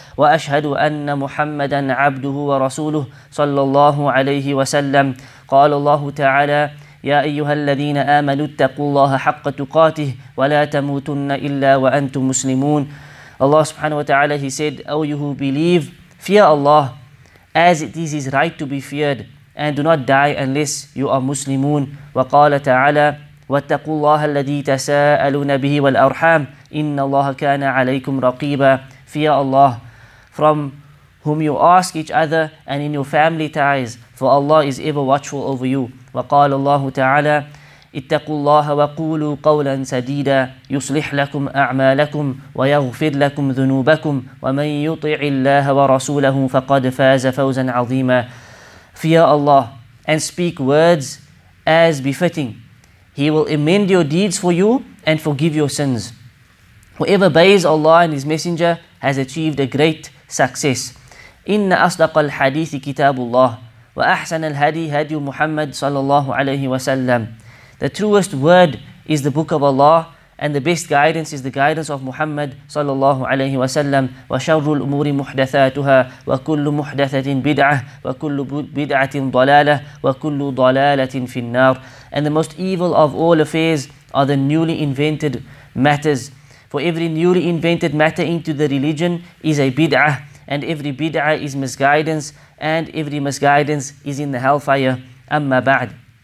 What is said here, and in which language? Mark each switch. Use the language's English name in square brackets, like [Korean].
[Arabic] وأشهد أن محمدا عبده ورسوله صلى الله عليه وسلم قال الله تعالى يا أيها الذين آمنوا اتقوا الله حق تقاته ولا تموتن إلا وأنتم مسلمون [English] Allah subhanahu wa ta'ala, he said, O you who believe, fear Allah as it is his right to be feared and do not die unless you are muslimun. [Arabic] وقال تعالى واتقوا الله الذي تساءلون به والأرحام إن الله كان عليكم رقيبا [English] Fear Allah from whom you ask each other and in your family ties, for Allah is ever watchful over you. [Arabic] وقال الله تعالى اتقوا الله وقولوا قولا سديدا يصلح لكم أعمالكم ويغفر لكم ذنوبكم ومن يطع الله ورسوله فقد فاز فوزا عظيما [English] Fear Allah and speak words as befitting. He will amend your deeds for you and forgive your sins. Whoever obeys Allah and His Messenger has achieved a great success. [Arabic] إن أصدق الحديث كتاب الله وأحسن الهدي هدي محمد صلى الله عليه وسلم. [English] The truest word is the book of Allah, and the best guidance is the guidance of Muhammad [Arabic] صلى الله عليه وسلم. وشر الأمور محدثاتها وكل محدثة بدعة وكل بدعة ضلالة وكل ضلالة في النار. [English] And the most evil of all affairs are the newly invented matters. For every newly invented matter into the religion is a bid'ah, and every bid'ah is misguidance, and every misguidance is in the hellfire. [Arabic] Amma ba'd.